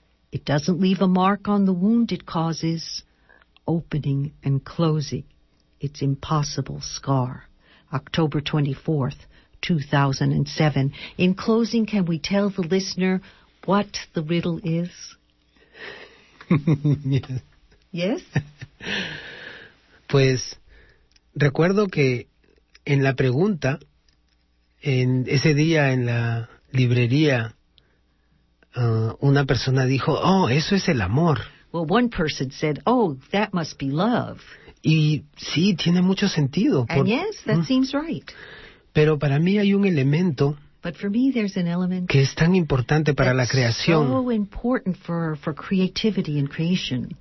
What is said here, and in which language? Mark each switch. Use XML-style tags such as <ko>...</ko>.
<en>It doesn't leave a mark on the wound it causes, opening and closing its impossible scar. October 24th, 2007. In closing, can we tell the listener what the riddle is? Yes. Yes?</en> <es>Pues, recuerdo que en la pregunta, en ese día en la librería, una persona dijo, oh, eso es el amor.</es> <en>Well, one person said, oh, that must be love.</en> <es>Y sí, tiene mucho sentido.</es> <en>And yes, that seems right.</en> <es>Pero para mí hay un elemento,</es> <en>but for me, there's an element</en> <es>que es tan importante para la creación.</es> <en>That's so important for creativity and creation.</en>